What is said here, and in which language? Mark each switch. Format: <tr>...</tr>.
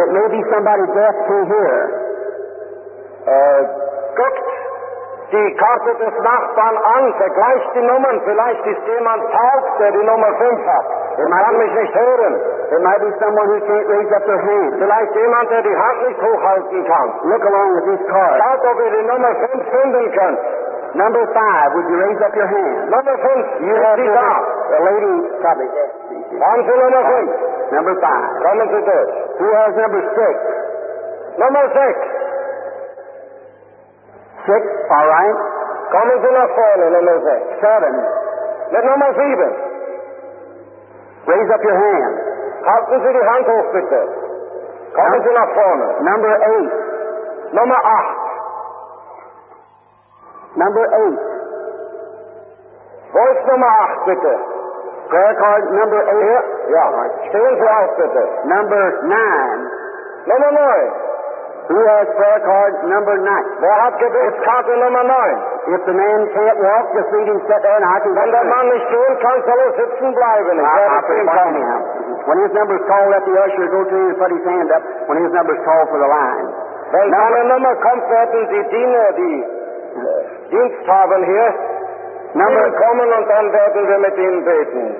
<en>It may be somebody deaf through here.</en> <de>Guckt die Karte des Nachbarn an, vergleicht die Nummern. Vielleicht ist jemand taub, der die Nummer 5 hat. Er kann mich nicht hören.</de> <en>It might be someone who can't raise up their hand.</en> <de>Vielleicht jemand, der die Hand nicht hochhalten kann.</de> <en>Look along with these cards.</en> <de>Schaut, ob ihr die Nummer 5 finden könnt.</de> <en>Number 5, would you raise up your hand? Number 5, you have the dog. The lady probably.</en> <de>Kommen Sie Nummer 5.</de> <en>Number 5.</en> <de>Kommen Sie durch.</de> <en>Who has number 6? Number 6. 6, all right.</en> <de>Kommen Sie nach vorne, Nummer 6.</de> <en>7.</en> <de>Mit Nummer 7.</de> <en>Raise up your hand.</en> <de>Halten Sie die Hand hoch, bitte. Kommen Sie nach vorne.</de> <en>Number 8.</en> <de>Nummer 8.</de> <en>Number 8.</en> <de>Voice Nummer 8, bitte.</de> <en>Prayer card number 8. Yeah. Right.</en> <de>Stehen Sie auf, bitte.</de> <en>Number 9. Number 9. Who has prayer card number 9?</en> <de>Wer hat Gebetskarte Nummer 9?</de> <en>If the man can't walk, just leave him sit there and I can...</en> <de>Wenn der Mann nicht gehen kann, soll er sitzen bleiben.</de> <en>When his number is called, let the usher go to him and put his hand up when his number is called for the line.</en> <de>Wenn seine Nummer kommt, werden die Diener, die Dienst haben hier,</de> <en>number</en> <de>kommen und dann werden wir mit ihnen beten.</de>